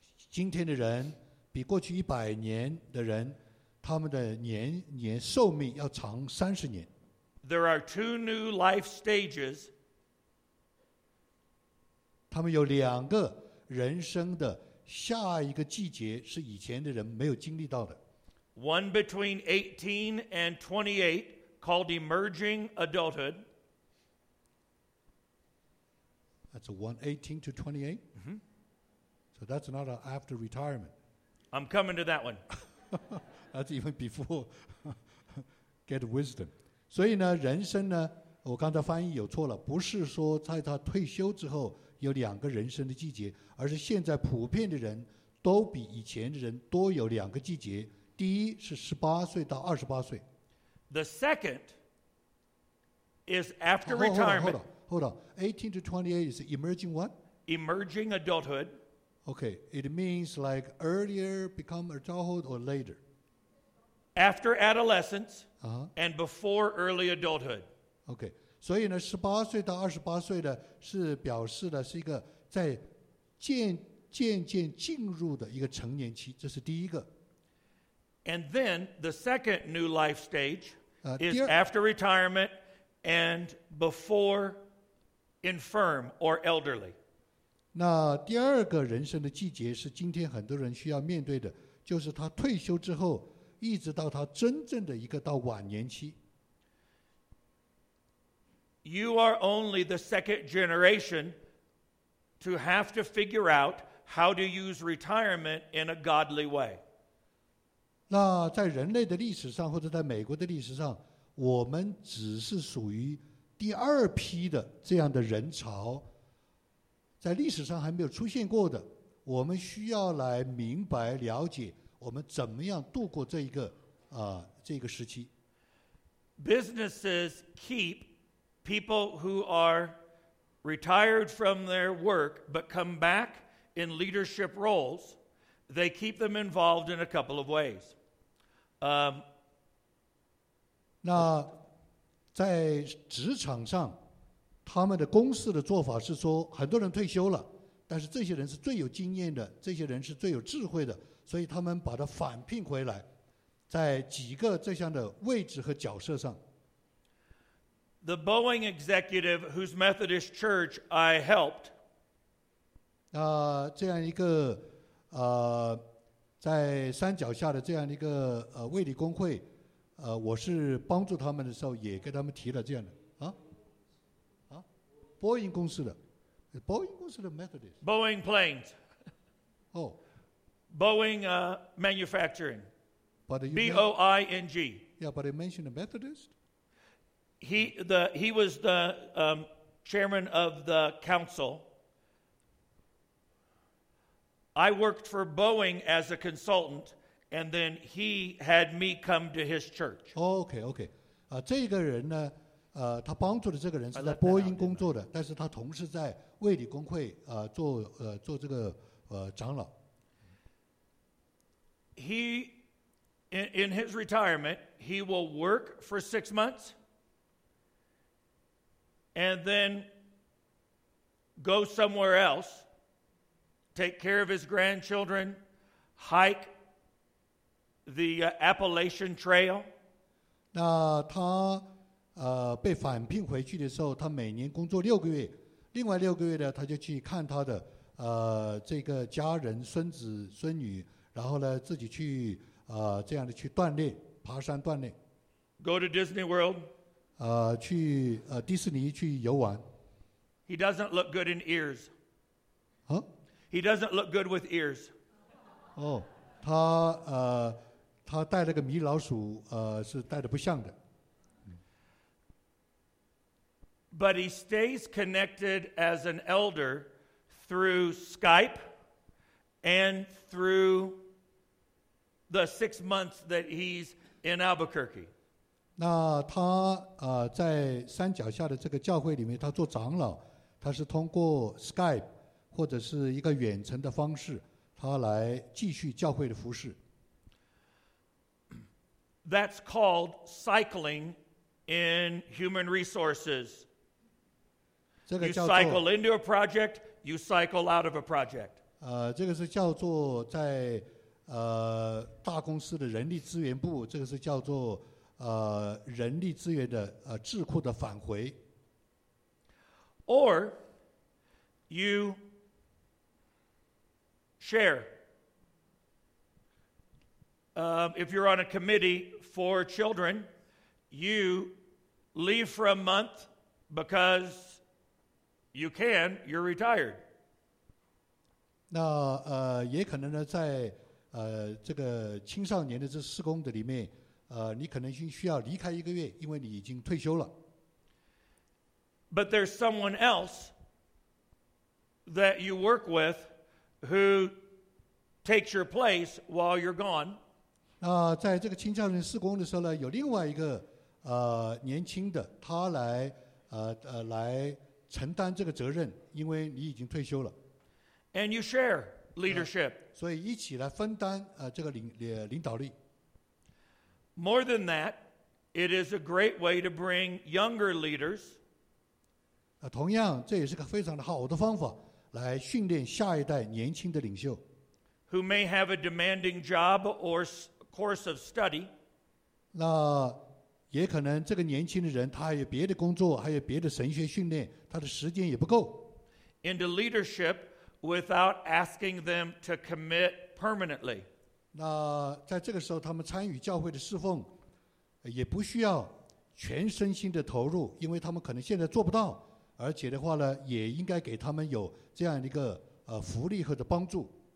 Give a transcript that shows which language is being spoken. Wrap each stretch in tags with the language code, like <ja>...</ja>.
<zh>今天的人比过去100年的人，他们的年寿命要长30年。</zh> <en>There are two new life stages.</en> <zh>他们有两个人生的下一个季节是以前的人没有经历到的。</zh> <en>One between 18 and 28 called emerging adulthood. That's a 18 to 28? Mm-hmm. So that's not after retirement. I'm coming to that one. That's even before get wisdom.</en> <zh>所以呢，人生呢，我刚才翻译有错了，不是说在他退休之后有两个人生的季节，而是现在普遍的人都比以前的人多有两个季节。第一是18岁到28岁。</zh> <en>The second is after retirement. Hold on. 18 to 28 is emerging what? Emerging adulthood. Okay, it means like earlier become adulthood or later. After adolescence. And before early adulthood.</en> <zh>Okay, 所以呢，十八岁到二十八岁的是表示的是一个在渐渐进入的一个成年期，这是第一个。</zh> <en>And then the second new life stage is after retirement and before infirm or elderly.</en> <zh>那第二个人生的季节是今天很多人需要面对的，就是他退休之后一直到他真正的一个到晚年期。</zh> <en>You are only the second generation to have to figure out how to use retirement in a godly way.</en> <zh>那在人类的历史上或者在美国的历史上，我们只是属于第二批的这样的人潮，在历史上还没有出现过的，我们需要来明白了解我们怎么样度过这一个这个时期。</zh> <en>Businesses keep people who are retired from their work but come back in leadership roles. They keep them involved in a couple of ways.</en> <zh>那在职场上，他们的公司的做法是说，很多人退休了，但是这些人是最有经验的，这些人是最有智慧的，所以他们把他返聘回来，在几个这项的位置和角色上。</zh> <en>The Boeing executive whose Methodist church I helped.</en> <zh>这样一个在山脚下的这样一个卫理公会，我是帮助他们的时候也给他们提了这样的波音公司的。 Boeing 公司的 Methodist.</zh> <en>Boeing planes. Oh. Boeing manufacturing. But B O I N G. Yeah, but you mentioned a Methodist. He was the chairman of the council. I worked for Boeing as a consultant, and then he had me come to his church.</en> <zh>Okay, okay. 这个人呢？他帮助的这个人是在波音工作的，但是他同时在卫理公会做这个长老。</zh> <en>He in his retirement, he will work for 6 months, and then go somewhere else, take care of his grandchildren, hike the Appalachian Trail.</en> <zh>那他被返聘回去的时候，他每年工作6个月，另外6个月呢，他就去看他的这个家人、孙子、孙女，然后呢，自己去这样的去锻炼，爬山锻炼。</zh> <en>Go to Disney World.</en> <zh>去迪士尼去游玩。</zh> <en>He doesn't look good in ears. 啊？He doesn't look good with ears.</en> <zh>哦，他带了个米老鼠，是带的不像的。</zh> <en>But he stays connected as an elder through Skype and through the 6 months that he's in Albuquerque.</en> <zh>那他在山脚下的这个教会里面，他做长老，他是通过 Skype 或者是一个远程的方式，他来继续教会的服事。</zh> <en>That's called cycling in human resources. 这个、 you cycle into a project, you cycle out of a project.</en> <zh>这个是叫做在大公司的人力资源部，这个是叫做人力资源的智库的返回。</zh> <en>Or you share. If you're on a committee for children, you leave for a month because. You can, you're retired.</en> <zh>那也可能呢，在这个青少年的这施工的里面，你可能需要离开一个月，因为你已经退休了。</zh> <en>But there's someone else that you work with who takes your place while you're gone.</en> <zh>那在这个青少年施工的时候呢，有另外一个年轻的，他来来。承担这个责任，因为你已经退休了。</zh> <en>And you share leadership.</en> <zh>所以一起来分担这个领导力。</zh> <en>More than that, it is a great way to bring younger leaders.</en> <zh>同样，这也是个非常好的方法，来训练下一代年轻的领袖。</zh> <en>Who may have a demanding job or course of study.</en> <zh>那也可能这个年轻的人他还有别的工作，还有别的神学训练，他的时间也不够。</zh> <en>Into leadership without asking them to commit permanently.</en> <zh>那在这个时候他们参与教会的侍奉也不需要全身心的投入，因为他们可能现在做不到，而且的话呢也应该给他们有这样一个福利或者帮助。</zh>